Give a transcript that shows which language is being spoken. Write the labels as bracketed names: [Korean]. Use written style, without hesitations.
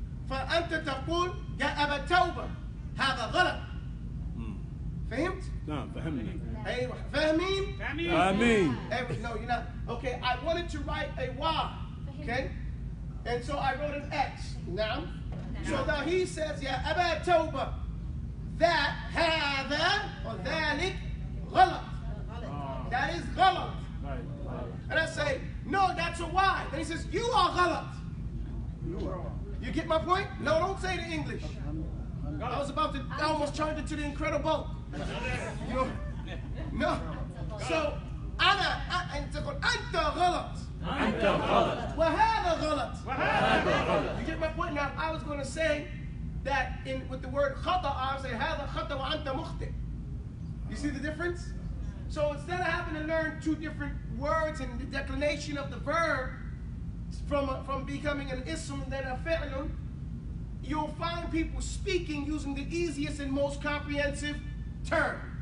[Arabic] فأنت تقول يا أبا توبة هذا غلط. فهمت؟ نعم فهمنا. أيوه فهمين؟ فهمين. [English] أيوه no you're not. Okay, I wanted to write a Y. Okay? And so I wrote an X. [Arabic] نعم. [English] So now he says [Arabic] يا أبا توبة [English] that [Arabic] هذا [English] or [Arabic] ذلك غلط. [English] That is [Arabic] غلط. [English] And I say no, that's a Y. And he says you are [Arabic] غلط. [English] You get my point? No, don't say the English. I was about to, I almost turned it to the incredible. You know? No. So, [Arabic] أنا أنت غلط. أنت غلط. وهذا غلط. وهذا غلط. [English] You get my point? Now, I was going to say that in with the word خطأ, I was saying [Arabic] هذا خطأ وأنت مخطئ. [English] You see the difference? So, instead of having to learn two different words and the declination of the verb, from becoming an ism then a fi'lun, you'll find people speaking using the easiest and most comprehensive term.